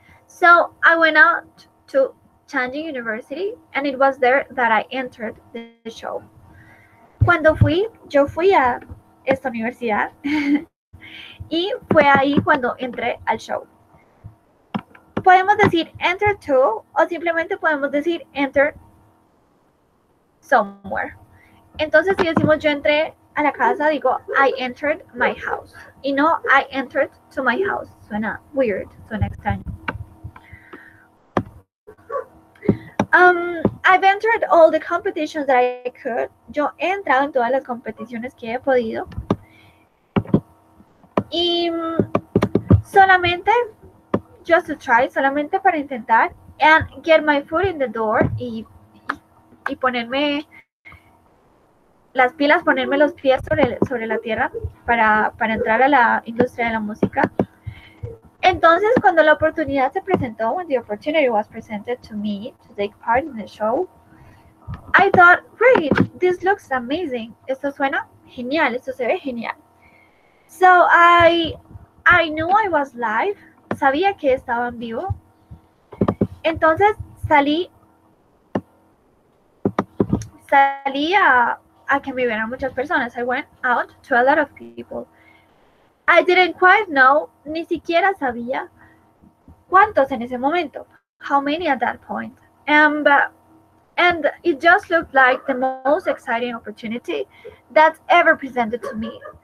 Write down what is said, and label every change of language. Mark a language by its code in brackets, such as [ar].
[en] So I went out to Changi University, and it was there that I entered the show. [es] Cuando fui, yo fui a esta universidad, y fue ahí cuando entré al show. Podemos decir enter to, o simplemente podemos decir enter somewhere. Entonces, si decimos yo entré a la casa, digo [en] I entered my house. [es] Y no [en] I entered to my house. [es] Suena weird, suena extraño. [en] I've entered all the competitions that I could. [es] Yo he entrado en todas las competiciones que he podido. Y solamente, [en] just to try, [es] solamente para intentar, [en] and get my foot in the door [es] y ponerme las pilas, ponerme los pies sobre la tierra para entrar a la industria de la música. Entonces, cuando la oportunidad se presentó, [en] when the opportunity was presented to me to take part in the show, I thought, great, this looks amazing. [es] Esto suena genial, esto se ve genial. [en] So I knew I was live. [es] Sabía que estaba en vivo. Entonces salí a que me vieran muchas personas. [en] I went out to a lot of people. I didn't quite know, [es] ni siquiera sabía cuántos en ese momento. [en] How many at that point? And it just looked like the most exciting opportunity that ever presented to me.